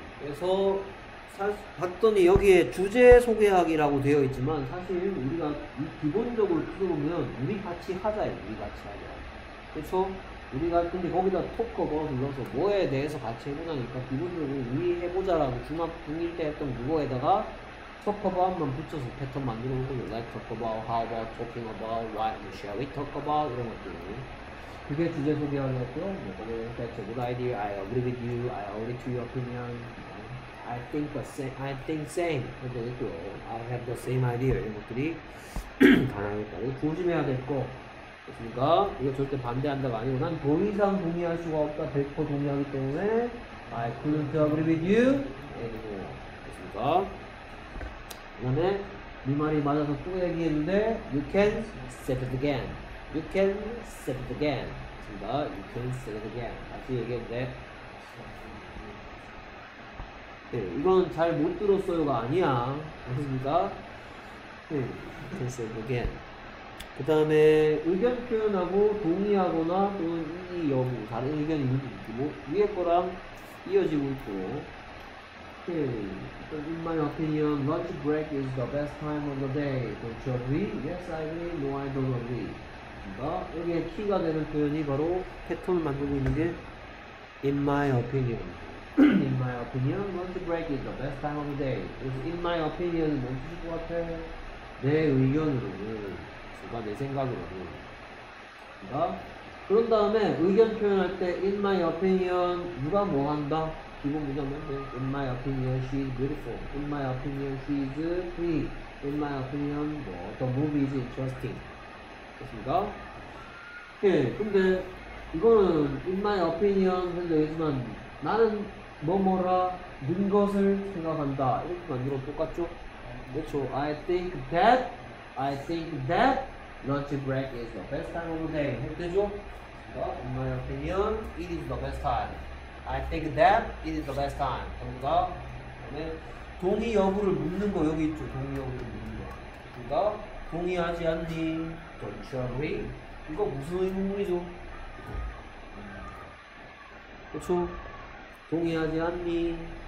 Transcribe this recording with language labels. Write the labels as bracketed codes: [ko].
[ko] 그래서, 봤더니 여기에 주제 소개하기라고 되어 있지만, 사실 우리가 기본적으로 풀어보면, 우리 같이 하자예요. 우리 같이 하자. 그쵸? 우리가, 근데 거기다 토크 걸어서 뭐에 대해서 같이 해보자니까, 기본적으로 우리 해보자라고 중학생일 때 했던 그거에다가, [en] Talk about [ko] 만 붙여서 패턴 만들어 놓은 거죠. [en] Like talk about, how about talking about, why shall we talk about [ko] 이런 것들. 그게 주제 소개하려고요. [en] 뭐, that's a good idea. I agree with you. I agree to your opinion. I think the same. I think same. [ko] 이런 것들. [en] I have the same idea. [ko] 이런 것들이 가능하니까 이거 조심해야 될 거. 그러니까 이거 절대 반대한다가 아니고 난 더 이상 동의할 수가 없다. [en] 100% [ko] 동의하기 때문에 [en] I couldn't agree with you. [ko] 그렇습니까? 그 다음에 네 말이 맞아서 또 얘기했는데 [en] You can say it again. You can say it again. [ko] 됐습니다. [en] You can say it again. [ko] 다시 얘기했는데 네, 이건 잘 못 들었어요가 아니야. 알겠습니까? [en] You can say it again. [ko] 그 다음에 의견 표현하고 동의하거나 또는 이 여부 다른 의견이 있는지 느끼고 위에 거랑 이어지고 있고 Okay. [en] In my opinion, lunch break is the best time of the day. Don't you agree? Yes, I agree. No, I don't agree. [ko] 그러니까 여기에 키가 되는 표현이 바로 패턴을 만들고 있는 [en] 게 In my opinion. In my opinion, lunch break is the best time of the day. [ko] 그래서 [en] In my opinion [ko] 은 뭔 뜻일 것 같아? 내 의견으로는. 그러니까 내 생각으로는. 그러니까 그런 다음에 의견 표현할 때 [en] In my opinion, [ko] 누가 뭐 한다? [en] 기본 문장은 In my opinion, she is beautiful. In my opinion, she is pretty. In my opinion, 뭐, the movie is interesting. [ko] 됐습니까? 오케이. 근데 이거는 [en] In my opinion [ko] 현재 있지만 나는 뭐뭐라는 것을 생각한다. 이렇게 만들어 똑같죠? 그렇죠. [en] I think that lunch break is the best time of the day. [ko] 해보죠. [en] In my opinion, it is the best time. I think that it is the best time. [ko] 정답. 그다음에 동의 여부를 묻는 거 여기 있죠. 동의 여부를 묻는 거. 정답. 동의하지 않니? [en] Don't you agree? [ko] 이거 무슨 의문문이죠? 그렇죠. 동의하지 않니?